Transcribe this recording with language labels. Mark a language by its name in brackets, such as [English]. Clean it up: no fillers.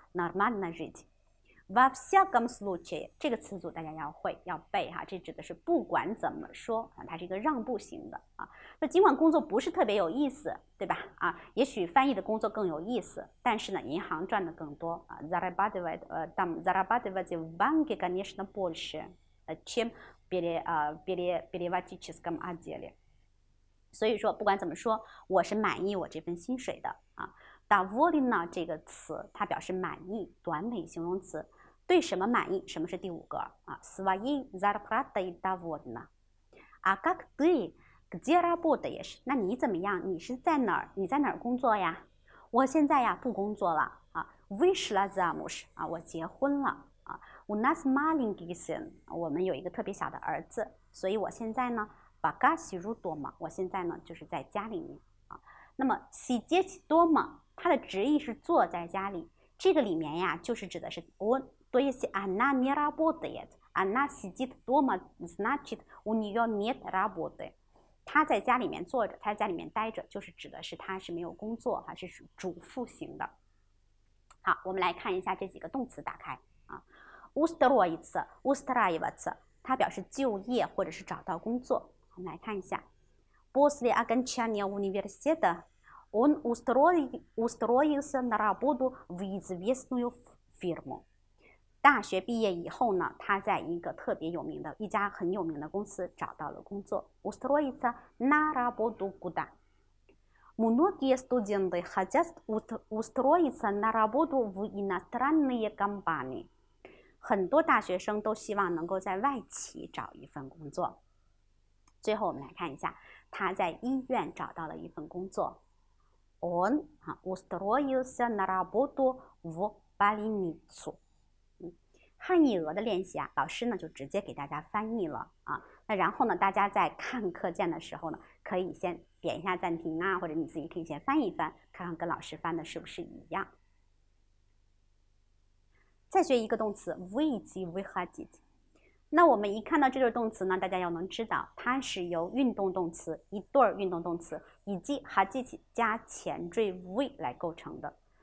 [Russian] Нормально жить。 Во всяком случае， [Chinese] 这个词组大家要会要背哈，这指的是不管怎么说啊，它是一个让步型的啊。那尽管工作不是特别有意思，对吧？啊，也许翻译的工作更有意思，但是呢，银行赚的更多啊。 [Russian] Зарабатывать деньги, конечно, больше, чем перебивать через гамадели。 [Chinese] 所以说，不管怎么说，我是满意我这份薪水的啊。 Довольна 这个词，它表示满意，短尾形容词。对什么满意？什么是第五个啊 ？ [Russian] Своей зарплатой довольна。 А как ты? Где работаешь？ [Chinese] 那你怎么样？你是在哪儿？你在哪儿工作呀？我现在呀不工作了啊。 [Russian] Вышла замуж [Chinese] 啊，我结婚了啊。 [Russian] У нас маленький сын， [Chinese] 我们有一个特别小的儿子，所以我现在呢 [Russian] пока сижу дома， [Chinese] 我现在呢就是在家里面啊。那么 [Russian] сидеть дома [Chinese] 它的直译是坐在家里，这个里面呀就是指的是温。 [Russian] То есть она не работает, она сидит дома, значит у нее нет работы. [Chinese] 她在家里面坐着，她在家里面待着，就是指的是她是没有工作，还是主妇型的。好，我们来看一下这几个动词打开啊。 [Russian] Устроиться, устраиваться, [Chinese] 它表示就业或者是找到工作。我们来看一下。 [Russian] После окончания университета он устроился на работу в известную фирму. [Chinese] 大学毕业以后呢，他在一个特别有名的一家很有名的公司找到了工作。 [Russian] Устроиться на работу куда? Многие студенты хотят устроиться на работу в иностранные компании. [Chinese] 很多大学生都希望能够在外企找一份工作。最后我们来看一下，他在医院找到了一份工作。 [Russian] Он устроился на работу в больницу. [Chinese] 汉译俄的练习啊，老师呢就直接给大家翻译了啊。那然后呢，大家在看课件的时候呢，可以先点一下暂停啊，或者你自己可以先翻一翻，看看跟老师翻的是不是一样。再学一个动词 ，выйти，выходить。那我们一看到这对动词呢，大家要能知道，它是由运动动词一对儿运动动词以及 ходить 加前缀 вы 来构成的。